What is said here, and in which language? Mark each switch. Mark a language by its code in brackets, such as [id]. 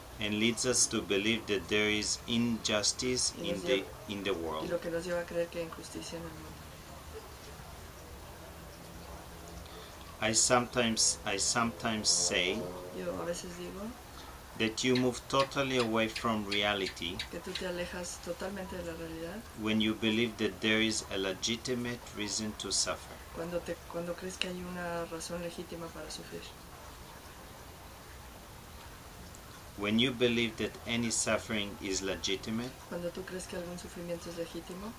[en] And leads us to believe that there is injustice in the world. [es] Y lo que nos lleva a creer que hay injusticia en el mundo. [en] I sometimes say. [es] Yo a veces digo. [en] That you move totally away from reality [es] que tú te alejas totalmente de la realidad [en] when you believe that there is a legitimate reason to suffer. [es] Cuando crees que hay una razón legítima para sufrir. [en] When you believe that any suffering is legitimate, [es] cuando tú crees que algún sufrimiento es legítimo,